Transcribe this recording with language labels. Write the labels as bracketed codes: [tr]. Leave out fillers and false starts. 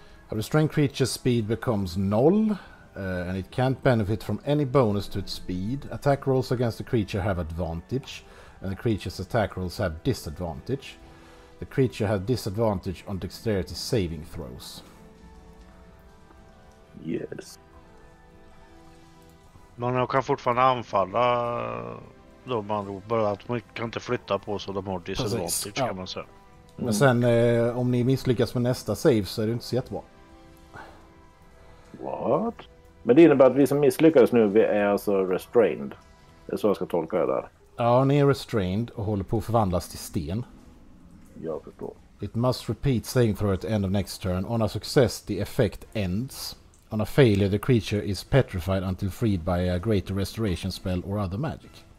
[en] A restrained creature's speed becomes null, and it can't benefit from any bonus to its speed. Attack rolls against the creature have advantage, and the creature's attack rolls have disadvantage. The creature has disadvantage on dexterity saving throws. Yes. [sv] Men de kan fortfarande anfalla de andra, bara att man kan inte flytta på så de har disadvantage. Precis. Kan man säga. Men sen om ni misslyckas med nästa save så är det inte så jättebra. [en] What? [sv] Men det innebär att vi som misslyckades nu, vi är alltså restrained. Det är så jag ska tolka det där. Ja, ni är restrained och håller på att förvandlas till sten. [en] It must repeat saving throw at end of next turn. On a success, the effect ends. On a failure, the creature is petrified until freed by a greater restoration spell or other magic.